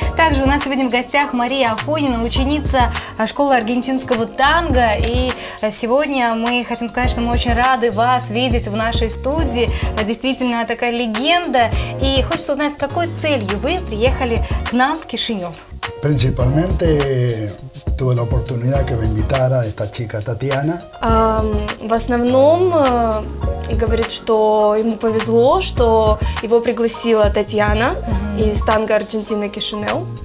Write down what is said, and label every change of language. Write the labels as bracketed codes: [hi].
[ru] Также у нас сегодня в гостях Мария Афонина, ученица школы аргентинского танго. И сегодня мы хотим сказать, что мы очень рады вас видеть в нашей студии. Действительно, такая легенда. И хочется узнать, с какой целью вы приехали к нам в Кишинев. [es] Principalmente tuve la oportunidad que me invitara esta chica Татьяна. [ru] В основном говорит, что ему повезло, что его пригласила Татьяна из танго Аргентины Кишинев.